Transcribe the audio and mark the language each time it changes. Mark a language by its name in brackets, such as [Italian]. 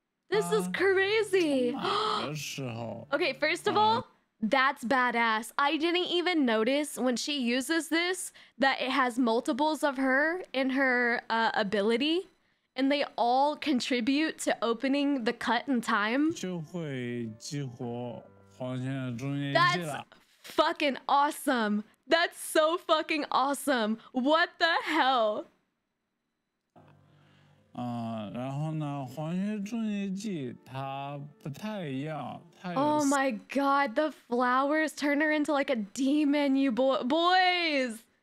[English] This is crazy. Okay, first of all, that's badass. I didn't even notice when she uses this that it has multiples of her in her ability, and they all contribute to opening the cut in time. [Chinese] 就会激活黄泉的终结技 [English] 了。That's fucking awesome. That's so fucking awesome. What the hell? [Chinese] 然后呢，黄泉终结技它不太一样，它有。 [English] Oh my god, the flowers turn her into like a demon, you boys.